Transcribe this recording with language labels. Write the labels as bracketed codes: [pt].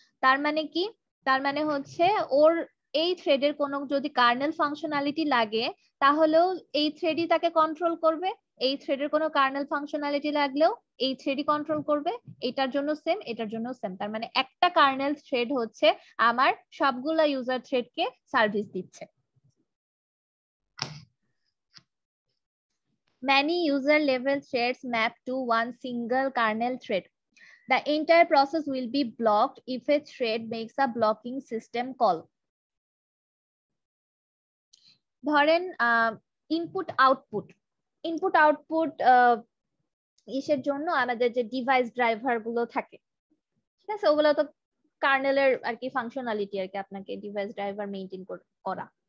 [bn] তার মানে কি, তার মানে হচ্ছে ওর এই থ্রেডের কোনো যদি কার্নেল ফাংশনালিটি লাগে তাহলেও এই থ্রেডই তাকে কন্ট্রোল করবে, এই থ্রেডের কোনো কার্নেল ফাংশনালিটি লাগলেও এই থ্রেডই কন্ট্রোল করবে, এটার জন্য সেম, এটার জন্য সেম। তার মানে একটা কার্নেল থ্রেড হচ্ছে আমার সবগুলো ইউজার থ্রেডকে সার্ভিস দিচ্ছে। [en] Many user level threads map to one single kernel thread. The entire process will be blocked if a thread makes a blocking system call. [bn] ধরেন ইনপুট আউটপুট, ইনপুট আউটপুট ইসের জন্য আমাদের যে device driver গুলো থাকে, ঠিক আছে, ওগুলো তো কার্নেলের আর কি ফাংশনালিটি আর কি, আপনাকে ডিভাইস ড্রাইভার মেনটেন করা।